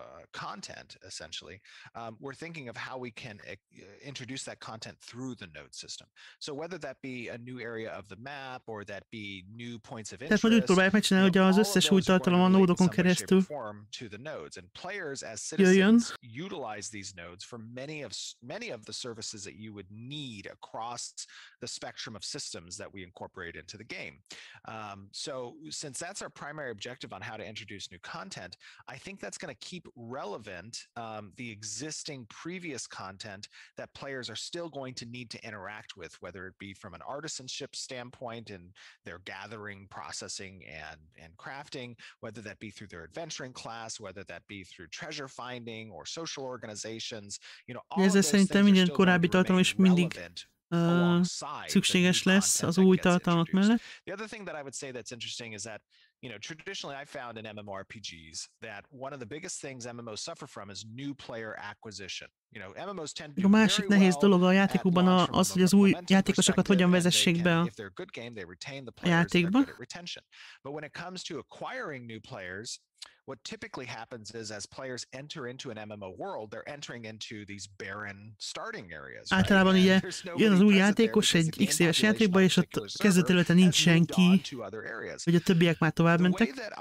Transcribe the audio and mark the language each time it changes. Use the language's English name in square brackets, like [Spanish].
[English] Content essentially, we're thinking of how we can introduce that content through the node system. So whether that be a new area of the map or that be new points of interest, [Hungarian] tehát próbálják megcsinálni, hogy az összes új tartalom a nódokon keresztül [English] to the nodes, and players as citizens utilize these nodes for many of the services that you would need across the spectrum of systems that we incorporate into the game. So since that's our primary objective on how to introduce new content, I think that's going to keep relevant the existing previous content that players are still going to need to interact with, whether it be from an artisanship standpoint and their gathering, processing, and crafting, whether that be through their adventuring class, whether that be through treasure finding or social organizations, you know, all those things are still going to remain relevant. [Hungarian] Szükséges lesz az új tartalmak mellett. [English] The other thing that I would say that's interesting is that, you know, traditionally I found in MMORPGs that one of the biggest things MMOs suffer from is new player acquisition. You know, MMOs tend to be [Hungarian] a másik nehéz dolog a játékokban az, hogy az új játékosokat hogyan vezessék be a játékba. [English] But when it comes to acquiring new players, what typically happens is as players enter into an MMO world, they're entering into these barren starting areas. Right? [Hungarian] Általában ugye jön az új játékos egy X éves játékba, és ott kezdetelőten nincs senki, hogy a többiek már tovább mentek.